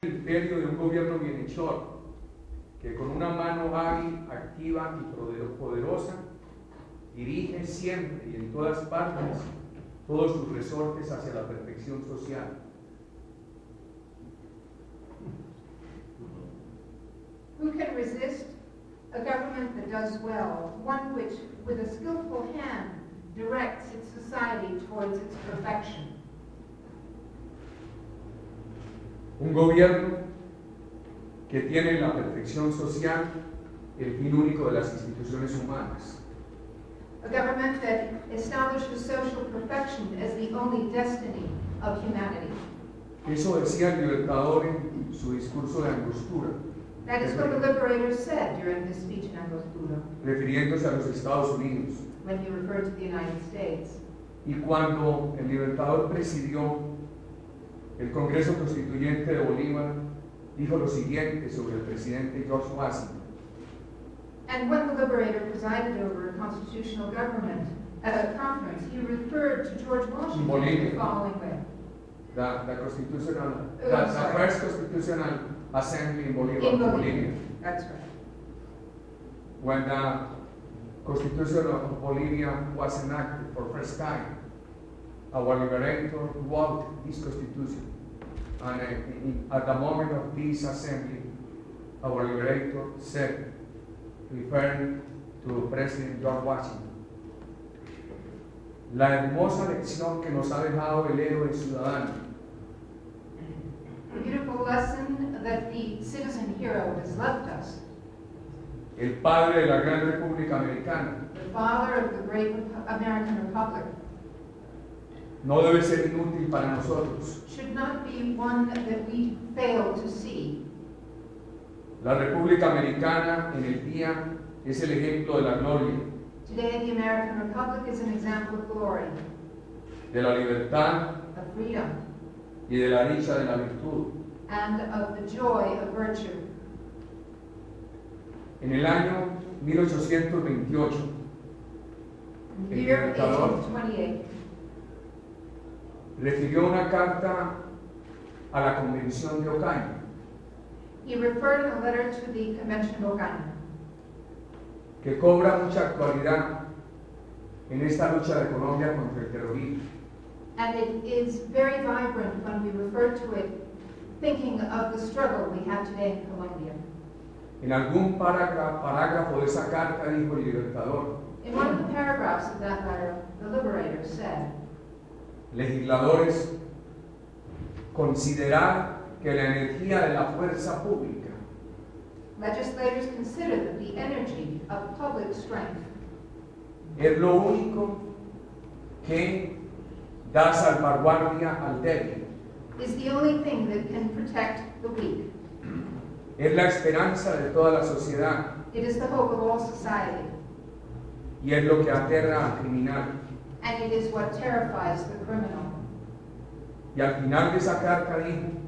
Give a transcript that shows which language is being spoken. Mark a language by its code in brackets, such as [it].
[es] criterio de un gobierno bienhechor, que con una mano hábil, activa y poderosa, dirige siempre y en todas partes todos sus resortes hacia la perfección social. [en] Who can resist a government that does well, one which, with a skillful hand, directs its society towards its perfection? [es] Un gobierno que tiene la perfección social el fin único de las instituciones humanas. [en] A government that establishes social perfection as the only destiny of humanity. [es] Eso decía el Libertador en su discurso de Angostura. [en] That is what the Liberator said during his speech in Angostura. [es] Refiriéndose a los Estados Unidos. [en] When he referred to the United States. [es] Y cuando el Libertador presidió el Congreso Constituyente de Bolívar, dijo lo siguiente sobre el presidente George Washington. [en] And when the Liberator presided over a constitutional government at a conference, he referred to George Washington Bolivia, in the following way. La constitucional, la first constitutional assembly in Bolivia. In Bolivia. Bolivia. That's right. When the Constitution of Bolivia was enacted for the first time, our Liberator wrote this constitution. And at the moment of this assembly, our Liberator said, referring to President George Washington, la hermosa lección que nos ha dejado el héroe ciudadano. The beautiful lesson that the citizen hero has left us. [es] El padre de la gran República Americana. [en] The father of the great American Republic. [es] No debe ser inútil para nosotros. [en] Should not be one that we fail to see. [es] La República Americana en el día es el ejemplo de la gloria. [en] Today the American Republic is an example of glory. [es] De la libertad. [en] Of freedom. [es] Y de la dicha de la virtud. [en] And of the joy of virtue. [es] En el año 1828. [en] In the year 1828. [es] Refirió una carta a la Convención de Ocaña. [en] He referred a letter to the Convention of Ocaña. [es] Que cobra mucha actualidad en esta lucha de Colombia contra el terrorismo. [en] And it is very vibrant when we refer to it, thinking of the struggle we have today in Colombia. [es] En algún parágrafo de esa carta dijo el Libertador. [en] In one of the paragraphs of that letter, the Liberator said, [es] legisladores, considerar que la energía de la fuerza pública, [en] legislators consider that the energy of public strength, [es] es lo único que da salvaguardia al débil, [en] is the only thing that can protect the weak, [es] es la esperanza de toda la sociedad, [en] it is the hope of all society, [es] y es lo que aterra al criminal. [en] And it is what terrifies the criminal. [es] Y al final de esa carta dijo,